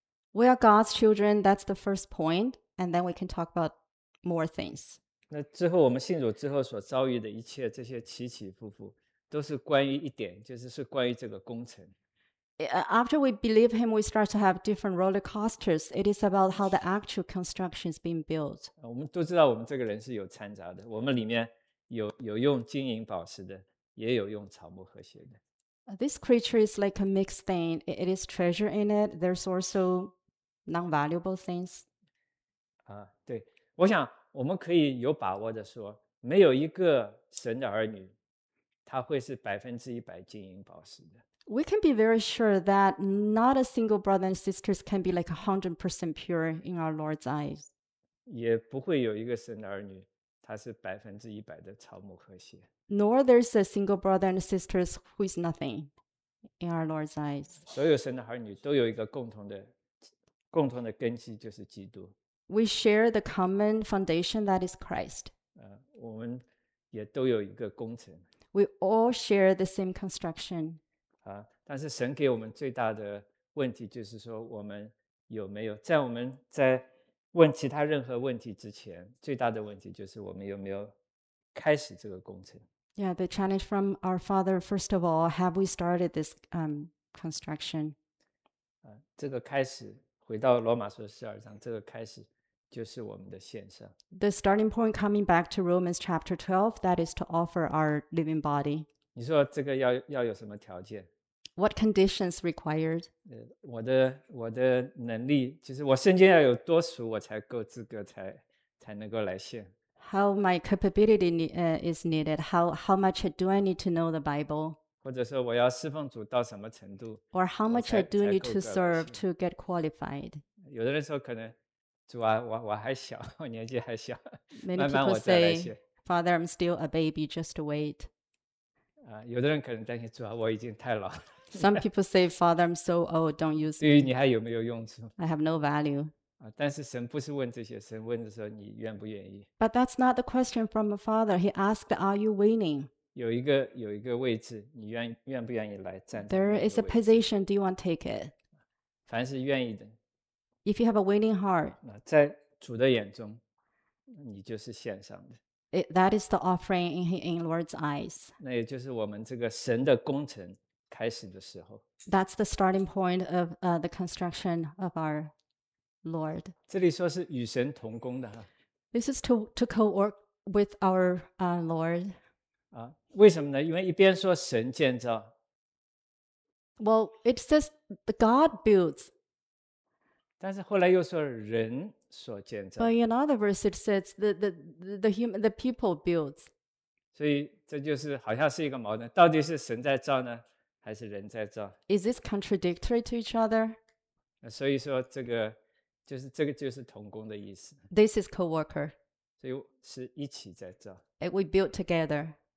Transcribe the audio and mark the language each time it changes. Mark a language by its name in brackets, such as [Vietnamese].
[English] We are God's children, that's the first point, and then we can talk about more things. [Chinese] 那之后我们信主之后所遭遇的一切这些起起伏伏都是关于一点就是是关于这个工程。 [English] After we believe him, we start to have different roller coasters. It is about how the actual construction is being built. [Chinese] 我们都知道我们这个人是有掺杂的我们里面有用金银宝石的也有用草木和血的。 [English] This creature is like a mixed thing. It is treasure in it. There's also non-valuable things. [Chinese] 对。我想我们可以有把握的说没有一个神的儿女他会是百分之一百金银宝石的。 [English] We can be very sure that not a single brother and sisters can be like 100% pure in our Lord's eyes. [Chinese] 也不会有一个神的儿女他是百分之一百的草木和谐。 [English] Nor there's a single brother and sisters who is nothing in our Lord's eyes. [Chinese] 所有神的儿女都有一个共同的根基，就是基督。 [English] We share the common foundation that is Christ. [Chinese] 我们也都有一个工程。 [English] We all share the same construction. [Chinese] 但是神给我们最大的问题就是说，我们有没有在我们在。问其他任何问题之前最大的问题就是我们有没有开始这个工程。 [English] Yeah, the challenge from our father, first of all, have we started this construction? [Chinese] 这个开始回到罗马书十二章这个开始就是我们的献上。 [English] The starting point coming back to Romans chapter 12, that is to offer our living body. [Chinese] 你说这个要有什么条件？ [English] What conditions required? [Chinese] 我的能力，就是我圣经要有多熟，我才够资格才能够来献。 [English] How my capability is needed? How much do I need to know the Bible? [Chinese] 或者说我要侍奉主到什么程度 [English] ？Or how much I do need to serve to get qualified? [Chinese] 有的人说可能主啊，我还小，我年纪还小， [English] Many [Chinese] 慢慢我再来写。 [English] Father, I'm still a baby, just wait. [Chinese] 有的人可能担心，主啊，我已经太老。 [English] Some people say, Father, I'm so old, don't use me. [Chinese] 对于你还有没有用处 [English] ？I have no value. [Chinese] 但是神不是问这些，神问的时候你愿不愿意 [English] ？But that's not the question from a father. He asked, Are you willing? [Chinese] 有一个位置，你愿不愿意来站 [English] ？There is a position. Do you want to take it? [Chinese] 凡是愿意的。 [English] If you have a willing heart, [Chinese] 在主的眼中，你就是献上的。 [English] That is the offering in Lord's eyes. [Chinese] 那也就是我们这个神的工程开始的时候。 [English] That's the starting point of the construction of our Lord. [Chinese] 这里说是与神同工的哈。 [English] This is to co-work with our Lord. [Chinese] 为什么呢？因为一边说神建造。 [English] Well, it says God builds. [Chinese] 但是后来又说人所建造。 [English] But in another verse, it says the people builds. [Chinese] 所以这就是好像是一个矛盾，到底是神在造呢，还是人在造 [English] ？Is this contradictory to each other？ [Chinese] 所以说这个就是这个就是同工的意思。 [English] This is co-worker. [Chinese] 所以是一起在造。 [English] And we build together.